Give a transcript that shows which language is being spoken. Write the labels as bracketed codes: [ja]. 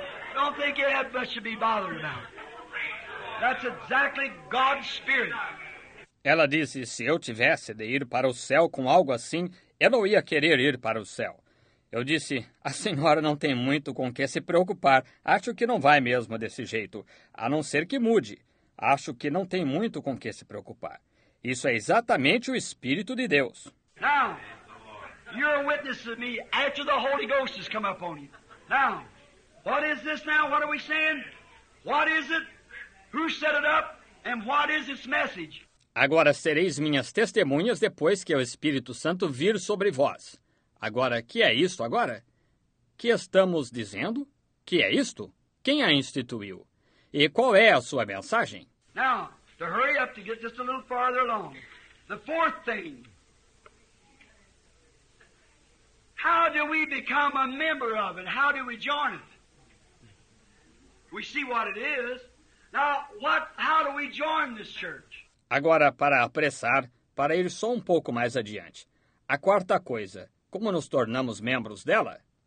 [en] I don't think you have much to be bothered about. That's exactly God's spirit. [pt] Ela disse, se eu tivesse de ir para o céu com algo assim, eu não ia querer ir para o céu. Eu disse, a senhora não tem muito com o que se preocupar. Acho que não vai mesmo desse jeito, a não ser que mude. Acho que não tem muito com o que se preocupar. Isso é exatamente o Espírito de Deus. [en] Now, you're a witness of me after the Holy Ghost has come up on you. Now, what is this now? What are we saying? What is it? Who set it up? And what is its message? [pt] Agora sereis minhas testemunhas depois que o Espírito Santo vir sobre vós. Agora, que é isto agora? Que estamos dizendo? Que é isto? Quem a instituiu? E qual é a sua mensagem? [en] Now, to hurry up to get just a little farther along. The fourth thing. How do we become a member of it? How do we join it? We see what it is. Now, how do we join this church? [pt] Agora, para apressar, para ir só um pouco mais adiante. A quarta coisa, como nos tornamos membros dela?